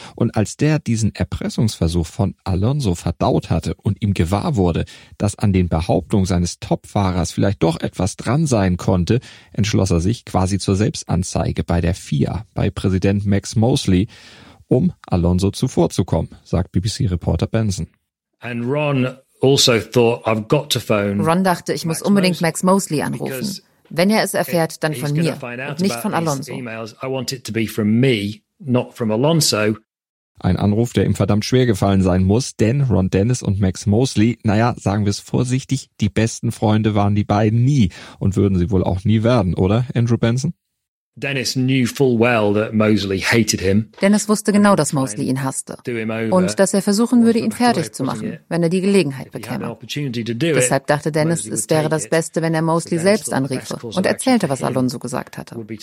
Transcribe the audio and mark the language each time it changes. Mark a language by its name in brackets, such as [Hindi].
[German] Und als der diesen Erpressungsversuch von Alonso verdaut hatte und ihm gewahr wurde, dass an den Behauptungen seines Topfahrers vielleicht doch etwas dran sein konnte, entschloss er sich quasi zur Selbstanzeige bei der FIA, bei Präsident Max Mosley, um Alonso zuvorzukommen, sagt BBC-Reporter Benson. [English] And Ron also thought, I've got to phone. [German] Ron dachte, ich muss unbedingt Max Mosley anrufen. Wenn er es erfährt, dann von mir und nicht von Alonso. Ein Anruf, der ihm verdammt schwer gefallen sein muss, denn Ron Dennis und Max Mosley, naja, sagen wir es vorsichtig, die besten Freunde waren die beiden nie und würden sie wohl auch nie werden, oder, Andrew Benson? [English] Dennis knew full well that Mosley hated him. [German] Dennis wusste genau, dass Mosley ihn hasste und dass er versuchen würde, ihn fertig zu machen, wenn er die Gelegenheit bekäme. Deshalb dachte Dennis, es wäre das Beste, wenn er Mosley selbst anriefe und erzählte, was Alonso gesagt hatte.